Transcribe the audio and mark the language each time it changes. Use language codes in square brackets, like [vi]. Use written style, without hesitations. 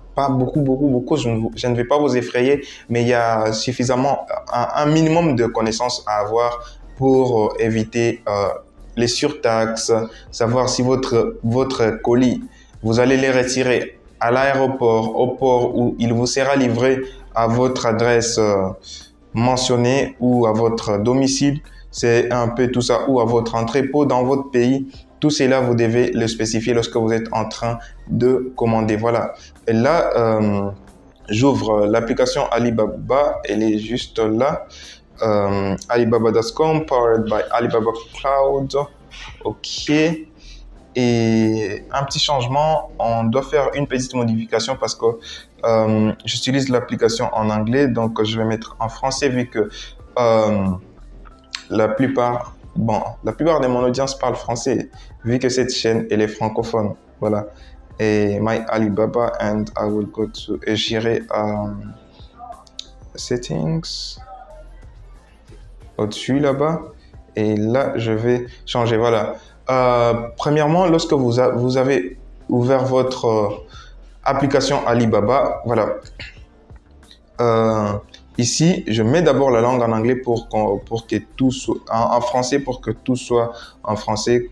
[fr] Pas beaucoup, beaucoup, beaucoup. Je ne vais pas vous effrayer, mais il y a suffisamment, un minimum de connaissances à avoir pour éviter les surtaxes, savoir si votre colis, vous allez les retirer à l'aéroport, au port où il vous sera livré à votre adresse mentionnée ou à votre domicile, c'est un peu tout ça, ou à votre entrepôt dans votre pays, tout cela, vous devez le spécifier lorsque vous êtes en train de commander. Voilà. Et là, j'ouvre l'application Alibaba, elle est juste là. [en] Alibaba.com, powered by Alibaba Cloud. OK. [fr] Et un petit changement, on doit faire une petite modification parce que j'utilise l'application en anglais, donc je vais mettre en français vu que la plupart de mon audience parle français, vu que cette chaîne elle est francophone. Voilà. Et [en] my Alibaba and I will go to [fr] et j'irai [en] settings. [fr] Au-dessus là-bas et là je vais changer. Voilà. Premièrement, lorsque vous avez ouvert votre application Alibaba, voilà, Ici, je mets d'abord la langue en anglais pour que tout soit en français, pour que tout soit en français.